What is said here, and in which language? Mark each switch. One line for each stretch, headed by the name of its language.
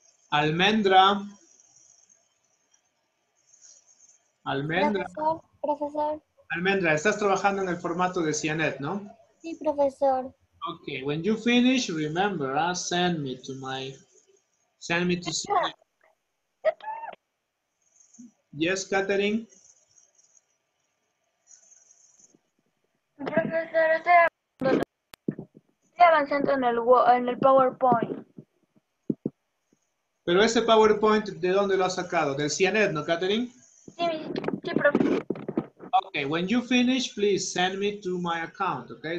Spanish: Almendra. Almendra. Profesor. Almendra, estás trabajando en el formato de CNET, ¿no? Sí, profesor.
English: Okay, when you finish, remember, send me to my... Send me to... Yes, Katherine?
Spanish: Profesor, estoy avanzando en el PowerPoint. Pero ese PowerPoint, ¿de dónde lo has sacado? ¿Del CNET, no, Katherine? Sí, profesor.
English: Okay, when you finish, please send me to my account, okay?